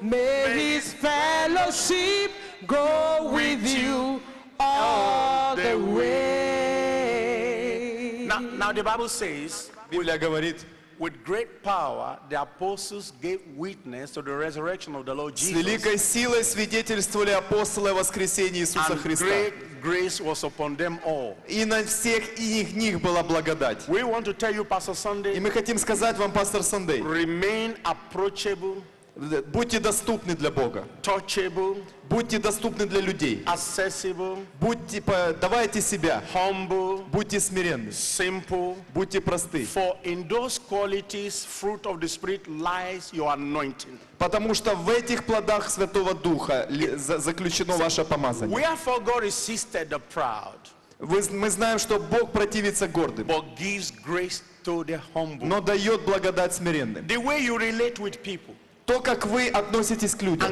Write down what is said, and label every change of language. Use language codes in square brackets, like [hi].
[en] May His fellowship go with you all the way. Now the Bible says, [ru] Библия говорит, [en] with great power the apostles gave witness to the resurrection of the Lord Jesus. [ru] С великой силой свидетельствовали апостолы о воскресении Иисуса Христа. [en] And great grace was upon them all. [ru] И на всех них была благодать. [en] We want to tell you, Pastor Sunday. [ru] И мы хотим сказать вам, пастор Сандей. [en] Remain approachable. [ru] Будьте доступны для Бога. [en] Touchable. [ru] Будьте доступны для людей. [en] Accessible. [ru] Будьте, давайте себя. [en] Humble. [ru] Будьте смиренны. [en] Simple. [ru] Будьте просты. [en] For in those qualities, fruit of the Spirit lies your anointing. [ru] Потому что в этих плодах Святого Духа заключено ваше помазание. [en] Wherefore God resisted the proud. [ru] Мы знаем, что Бог противится гордым. [en] But gives grace to the humble. [ru] Но дает благодать смиренным. [en] The way you relate with people. [ru] То, как вы относитесь к людям.